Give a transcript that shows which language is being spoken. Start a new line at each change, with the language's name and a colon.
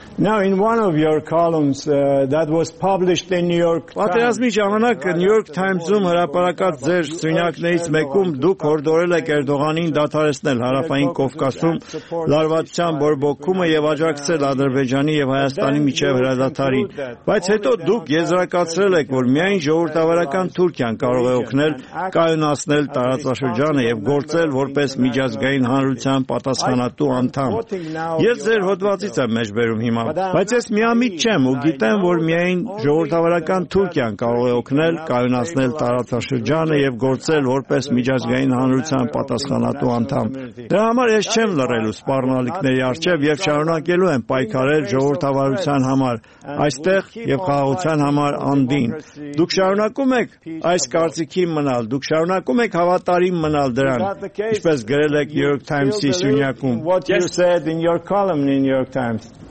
English: Now in one of your columns that was published in New York Times.
Armenian: Պատերազմի ժամանակ New York Times-ում հրապարակած ձեր սյունակներից մեկում դուք հորդորել եք Էրդողանին դադարեցնել Հարավային Կովկասում լարվածության բորբոքումը եւ աջակցել Ադրբեջանի եւ Հայաստանի միջև հրադադարին։ Բայց հետո դուք եզրակացրել եք, որ միայն ժողովրդավարական Թուրքիան կարող է օգնել կայունացնել տարածաշրջանը եւ գործել որպես միջազգային հանրության պատասխանատու անդամ։ Ես ձեր հոդվածից եմ մեջ բերում հիմա, բայց ես միամիտ չեմ ու գիտեմ, որ միայն ժողովրդավարական Թուրքիան կարող է օգնել կայունացնել տարածաշրջանը եւ գործել որպես միջազգային հանրության պատասխանատու անդամ։ Դրա համար ես չեմ լռելու սպառնալիքների առջև եւ շարունակելու եմ պայքարել ժողովրդավարության համար այստեղ եւ քաղաղության համար անդին։ Դուք շարունակում եք այս կարծիքին մնալ, դուք շարունակում եք հավատարիմ մնալ դրան, ինչպես գրել եք New York Times-ի սյունյակում։
English: What you said in your column in New York Times.